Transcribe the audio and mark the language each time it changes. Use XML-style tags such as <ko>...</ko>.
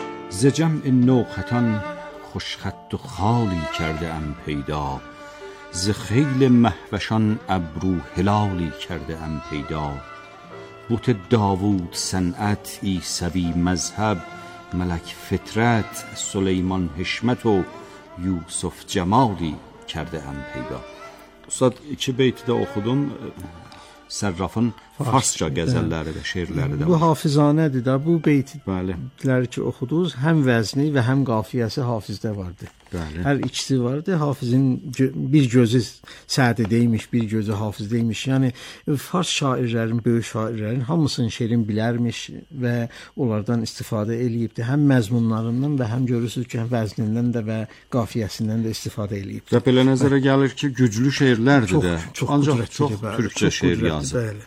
<fa>ز جمع نو خطان خوش خط و خالی کرده ام پیدا، ز خیل مهوشان ابرو هلالی کرده ام پیدا. بوت داوود صنعت، عیسوی مذهب، ملک فطرت، سلیمان حشمت و یوسف جمالی کرده ام پیدا.</fa> <az>استاد چه بیتی ده اخودم؟ Sərrafın farsca qəzəlləri də, şeirləri də bu hafizanədir də, bu beytləri ki, oxuduz, həm vəzni və həm qafiyyəsi hafizdə vardır. Bəli. Hər ikisi vardır, hafizin bir gözü Sədi deymiş, bir gözü hafiz deymiş. Yəni, fars şairlərin, böyük şairlərin hamısının şeirin bilərmiş və onlardan istifadə eləyibdir. Həm məzmunlarından və həm görürsünüz ki, vəznindən də və qafiyyəsindən də istifadə eləyibdir. Və belə nəzərə gəlir ki, güclü şeirlərdir də. Çox, ancaq qudretli, çox türkçə şeir yazdı.</az>